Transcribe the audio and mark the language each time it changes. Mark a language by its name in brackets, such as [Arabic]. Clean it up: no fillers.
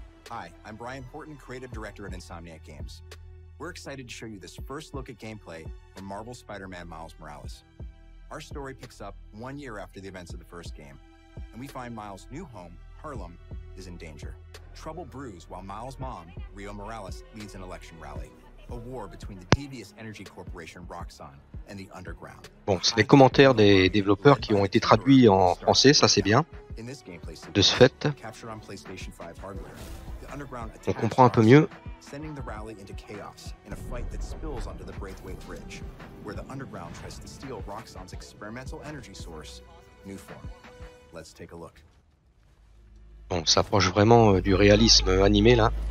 [English] Hi, I'm Brian Horton, creative director at Insomniac Games. We're excited to show you this first look at gameplay from Marvel Spider-Man Miles Morales. Our story picks up 1 year after the events of the first game, and we find Miles' new home, Harlem, is in danger. Trouble brews while Miles' mom, Rio Morales, leads an election rally, a war between the devious energy corporation Roxxon and the underground. [French] Bon, c'est les commentaires des développeurs qui ont été traduits en français, ça c'est bien. De ce fait, [English] captured on PlayStation 5 hardware, the underground attacks, sending the rally into chaos in a fight that spills onto the Braithwaite Bridge, where the underground tries to steal Roxxon's experimental energy source, Nuform. Let's take a look. [French] Bon, ça approche vraiment du réalisme animé là.